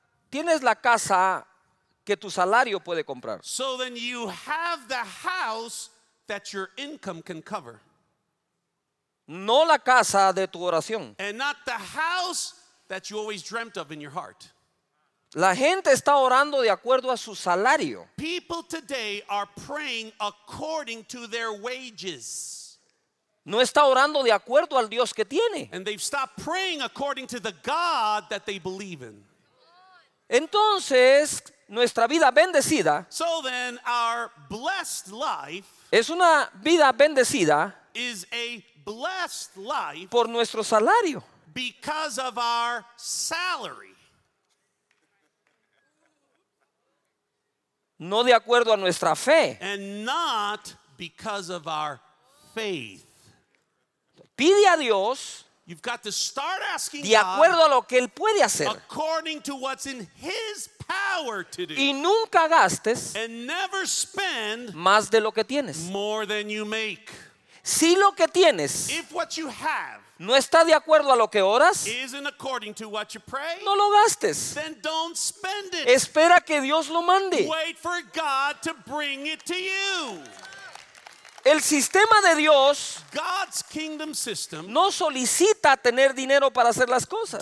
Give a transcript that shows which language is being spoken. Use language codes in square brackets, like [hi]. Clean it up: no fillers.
[es] Tienes la casa que tu salario puede comprar. [en] So then you have the house that your income can cover. [es] No la casa de tu oración. [en] And not the house that you always dreamt of in your heart. [es] La gente está orando de acuerdo a su salario. [en] People today are praying according to their wages. [es] No está orando de acuerdo al Dios que tiene. [en] And they've stopped praying according to the God that they believe in. [es] Entonces, nuestra vida bendecida, [en] so then our blessed life, [es] es una vida bendecida, [en] is a blessed life, [es] por nuestro salario, [en] because of our salary. [es] No de acuerdo a nuestra fe. [en] And not because of our faith. [es] Pide a Dios. [en] You've got to start asking [es] de acuerdo [en] God [es] a lo que él puede hacer. [en] According to what's in his power to do. [es] Y nunca gastes. [en] And never spend [es] más de lo que tienes. [en] More than you make. [es] Si lo que tienes, [en] if what you have, [es] no está de acuerdo a lo que oras, [en] isn't according to what you pray, [es] no lo gastes. [en] Then don't spend it. [es] Espera que Dios lo mande. [en] Wait for God to bring it to you. [es] El sistema de Dios, [en] God's kingdom system, [es] no solicita tener dinero para hacer las cosas.